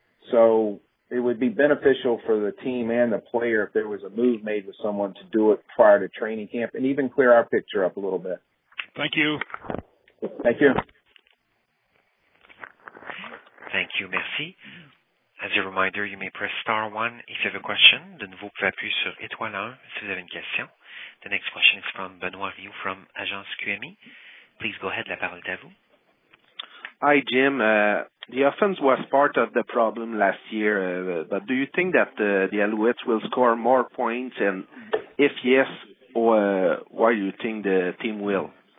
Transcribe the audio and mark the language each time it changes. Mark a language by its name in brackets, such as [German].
[English] So it would be beneficial for the team and the player if there was a move made with someone to do it prior to training camp and even clear our picture up a little bit. Thank you. Thank you. Thank you. [French] Merci. [English] As a reminder, you may press star 1 if you have a question. [French] De nouveau, vous pouvez appuyer sur étoile 1 si vous avez une question. [English] The next question is from Benoit Rioux from Agence QMI. Please go ahead. [French] La parole est à vous. [English] Hi, Jim. The offense was part of the problem last year, but do you think that the Alouettes will score more points? And if yes, why do you think the team will?